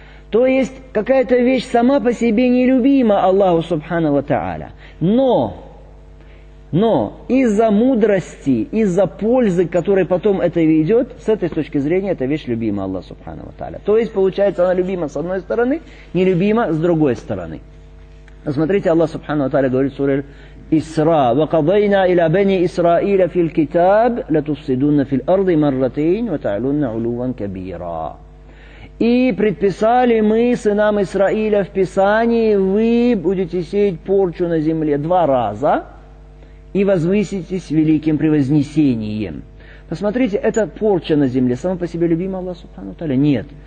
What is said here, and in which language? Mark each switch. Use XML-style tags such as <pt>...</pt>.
<ru>То есть, какая-то вещь сама по себе нелюбима Аллаху субхану ва тааля. Но из-за мудрости, из-за пользы, к которой потом это ведет, с этой точки зрения, эта вещь любима Аллаху субхану ва тааля. То есть, получается, она любима с одной стороны, нелюбима с другой стороны. Смотрите, Аллах субхану ва тааля говорит в суре Исра:</ru> <ar>وَقَضَيْنَا إِلَى بَنِي إِسْرَائِيلَ فِي الْكِتَابِ لَتُفْسِدُنَّ فِي الْأَرْضِ مَرَّتَيْنِ وَتَعْلُنَّ عُلُوًّا كَبِيرًا.</ar> <ru>И предписали мы сынам Исраиля в Писании, вы будете сеять порчу на земле два раза и возвыситесь великим превознесением. Посмотрите, это порча на земле. Сама по себе любима Аллах субхану тааля? Нет.</ru>